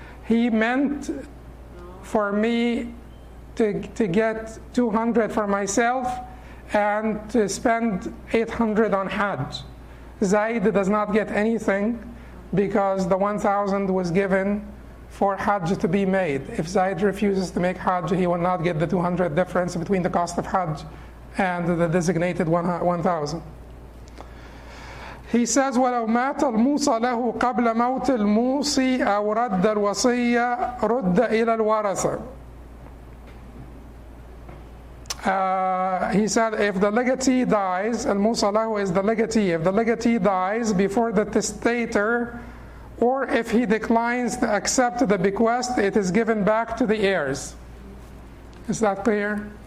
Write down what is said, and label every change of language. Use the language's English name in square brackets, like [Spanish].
[English] He meant for me to get 200 for myself and to spend 800 on Hajj. Zayd does not get anything because the 1,000 was given for Hajj to be made. If Zayd refuses to make Hajj, he will not get the 200 difference between the cost of Hajj and the designated 1,000. He says, [Arabic] وَلَوْ مَاتَ الْمُوصَى لَهُ قَبْلَ مَوْتِ الْمُوصِي أَوْ رَدَّ الْوَصِيَّ رُدَّ إِلَى الْوَرَثَ. [English] He said, if the legatee dies, al-Musa lahu is the legatee, if the legatee dies before the testator, or if he declines to accept the bequest, it is given back to the heirs. Is that clear?